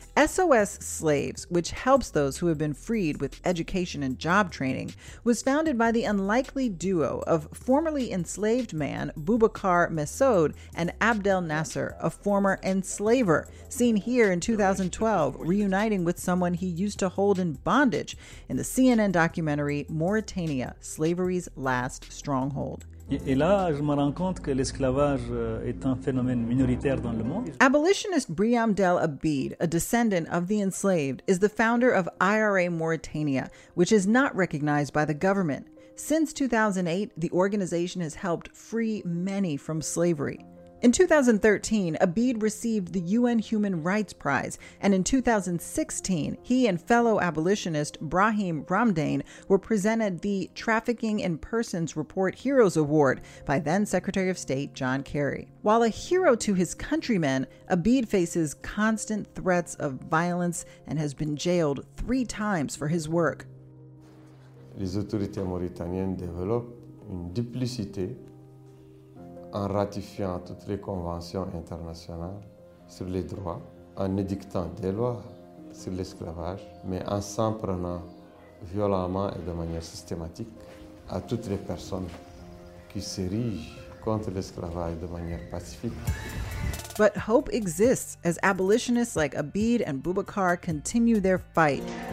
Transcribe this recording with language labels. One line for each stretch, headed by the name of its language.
English: SOS Slaves, which helps those who have been freed with education and job training, was founded by the unlikely duo of formerly enslaved man Boubacar Messoud and Abdel Nasser, a former enslaver, seen here in 2012 reuniting with someone he used to hold in bondage in the CNN documentary Mauritania, Slavery's Last Stronghold.
French: Et là, je me rends compte que l'esclavage est un phénomène minoritaire dans le monde.
English: Abolitionist Briam Del Abid, a descendant of the enslaved, is the founder of IRA Mauritania, which is not recognized by the government. Since 2008, the organization has helped free many from slavery. In 2013, Abid received the UN Human Rights Prize, and in 2016, he and fellow abolitionist Brahim Ramdane were presented the Trafficking in Persons Report Heroes Award by then-Secretary of State John Kerry. While a hero to his countrymen, Abid faces constant threats of violence and has been jailed three times for his work.
French: Les autorités mauritaniennes développent une duplicité en ratifiant toutes les conventions internationales sur les droits, en édictant des lois sur l'esclavage, mais en s'en prenant violemment et de manière systématique à toutes les personnes qui s'érigent contre l'esclavage de manière pacifique.
English: But hope exists as abolitionists like Abid and Boubacar continue their fight.